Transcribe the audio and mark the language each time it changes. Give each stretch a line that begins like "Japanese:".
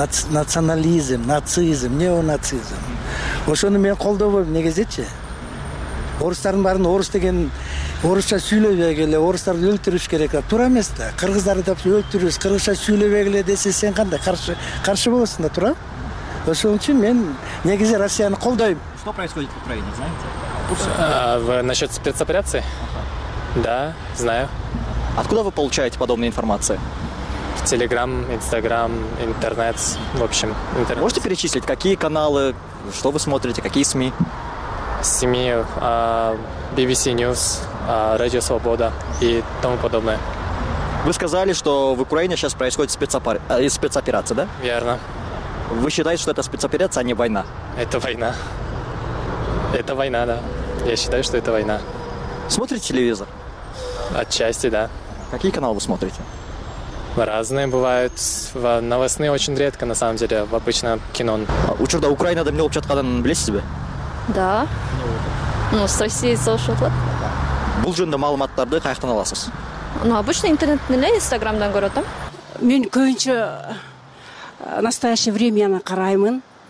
Russian: Национализм, нацизм, неонацизм.
Kyrgyz: Ошону мен колдобойм негизичи. Орустардын баарын орус деген орусча сүйлөбөгүле, орустарды өлтүрүш керек да. Туура эмес да. Кыргыздарды деп өлтүрүш, кыргызча сүйлөбөгүле десе сен кандай каршы болосуң да, туура? Ошон үчүн мен негизи Россияны колдойм.
Russian: Что происходит в Украине, знаете? Насчет спецоперации? Да, знаю. Откуда вы получаете подобные информации? Телеграм, Инстаграм, интернет, в общем, интернет. Можете перечислить, какие каналы, что вы смотрите, какие СМИ? СМИ, BBC News, Радио Свобода и тому подобное. Вы сказали, что в Украине сейчас происходит спецоперация, да? Верно. Вы считаете, что это спецоперация, а не война? Это война. Это война, да. Я считаю, что это война. Смотрите телевизор? Отчасти, да. Какие каналы вы смотрите? Разные бывают. Новостные очень редко, на самом деле, в обычном кино.
Kyrgyz: Учурда Украинада эмне болуп жатканын билесизби?
Russian: Да. Ну, с Россией слышала.
Kyrgyz: Бул жөнүндө маалыматтарды каяктан аласыз? Ну, обычно интернеттен эле, Инстаграмдан көрөт. Мен көбүнчө настоящее времяны караймын.